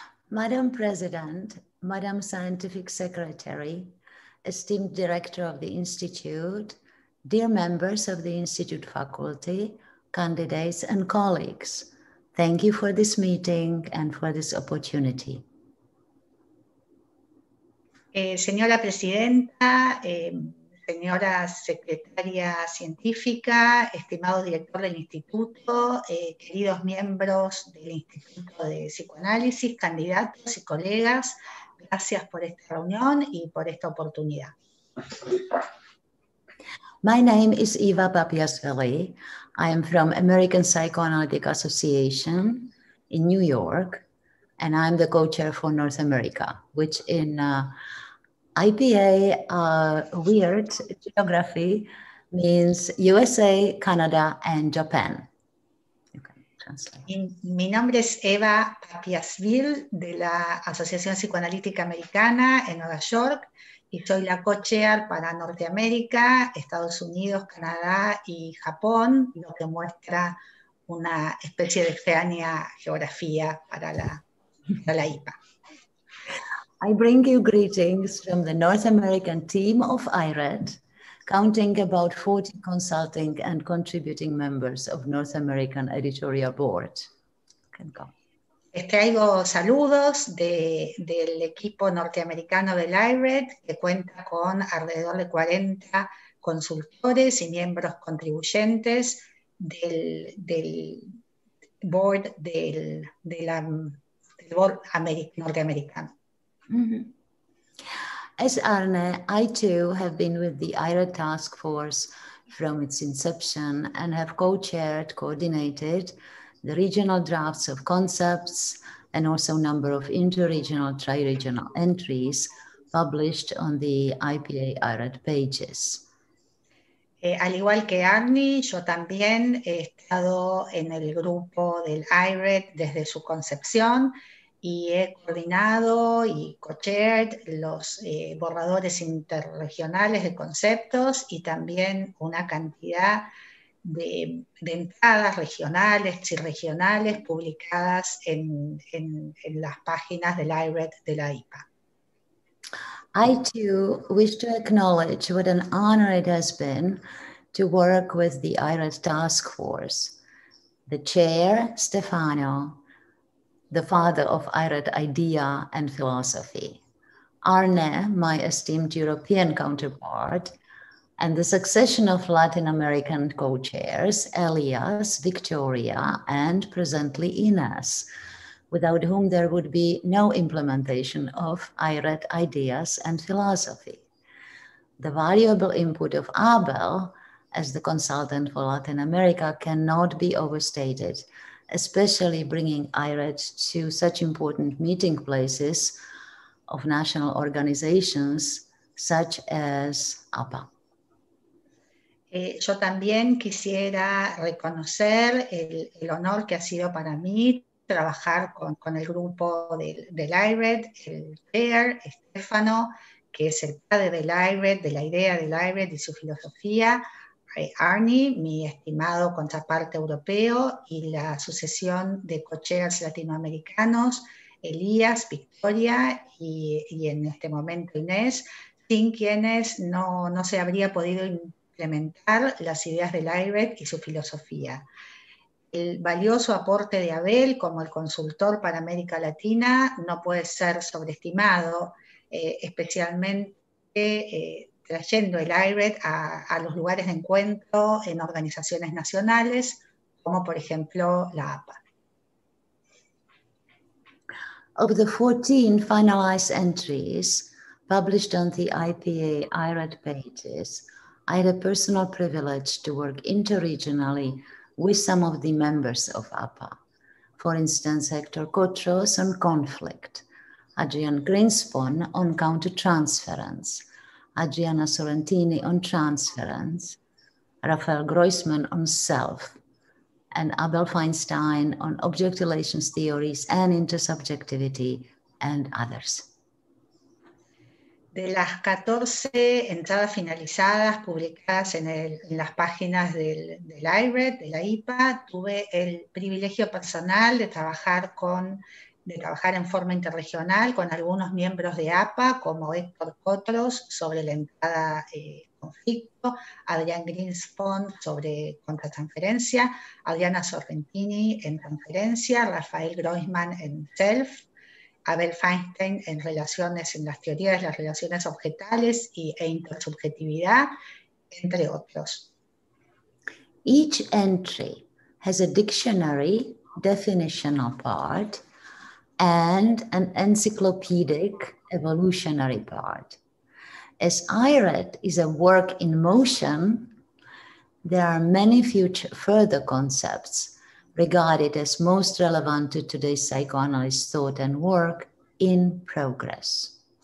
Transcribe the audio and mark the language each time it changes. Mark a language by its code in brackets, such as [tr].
[en] Madam President, Madam Scientific Secretary, esteemed Director of the Institute, dear members of the Institute faculty, candidates, and colleagues, thank you for this meeting and for this opportunity. [es] Señora Presidenta, señora Secretaria Científica, estimado Director del Instituto, queridos miembros del Instituto de Psicoanálisis, candidatos y colegas, gracias por esta reunión y por esta oportunidad. [en] My name is Eva Papiasvili. I am from American Psychoanalytic Association in New York, and I'm the co-chair for North America, which in IPA, weird geography, means USA, Canada, and Japan. [es] Mi nombre es Eva Papiasville, de la Asociación Psicoanalítica Americana en Nueva York, y soy la co-chair para Norteamérica, Estados Unidos, Canadá y Japón, lo que muestra una especie de extraña geografía para la IPA. [en] I bring you greetings from the North American team of IRED, counting about 40 consulting and contributing members of North American Editorial Board. Can go. [es] Traigo saludos del equipo norteamericano del IRED, que cuenta con alrededor de 40 consultores y miembros contribuyentes del board del board norteamericano. [en] As Arne, I too have been with the IRED Task Force from its inception and have co-chaired, coordinated the regional drafts of concepts and also a number of inter-regional, tri-regional entries published on the IPA IRED pages. [es] Al igual que Arne, yo también he estado en el grupo del IRED desde su concepción y he coordinado y co-chaired los borradores interregionales de conceptos y también una cantidad de entradas regionales y regionales publicadas en las páginas del IRED de la IPA. [en] I too wish to acknowledge what an honor it has been to work with the IRED Task Force, the chair, Stefano, the father of IRED idea and philosophy, Arne, my esteemed European counterpart, and the succession of Latin American co-chairs, Elias, Victoria, and presently Ines, without whom there would be no implementation of IRED ideas and philosophy. The valuable input of Abel as the consultant for Latin America cannot be overstated, especially bringing IRED to such important meeting places of national organizations such as APA. [es] Yo también quisiera reconocer el honor que ha sido para mí trabajar con el grupo del IRED, el chair, Stefano, que es el padre del IRED, de la idea del IRED y su filosofía, Arne, mi estimado contraparte europeo, y la sucesión de co-chairs latinoamericanos, Elías, Victoria y en este momento Inés, sin quienes no se habría podido implementar las ideas del IRED y su filosofía. El valioso aporte de Abel como el consultor para América Latina no puede ser sobreestimado, especialmente trayendo el IRED a los lugares de encuentro en organizaciones nacionales, como por ejemplo la APA. [en] Of the 14 finalized entries published on the IPA IRED pages, I had a personal privilege to work interregionally with some of the members of APA. For instance, Hector Cotros on conflict, Adrian Greenspon on countertransference, Adriana Sorrentini on transference, Rafael Groisman on self, and Abel Feinstein on object relations theories and intersubjectivity and others. [es] De las 14 entradas finalizadas publicadas en las páginas del IRED, de la IPA, tuve el privilegio personal de trabajar en forma interregional con algunos miembros de APA, como Héctor Cotros, sobre la entrada conflicto, Adrián Greenspon sobre contratransferencia, Adriana Sorrentini en transferencia, Rafael Groisman en self, Abel Feinstein en relaciones, en las teorías de las relaciones objetales e intersubjetividad, entre otros. [en] Each entry has a dictionary definitional part and an encyclopedic evolutionary part. As IRED is a work in motion, there are many future further concepts regarded as most relevant to today's psychoanalyst thought and work in progress.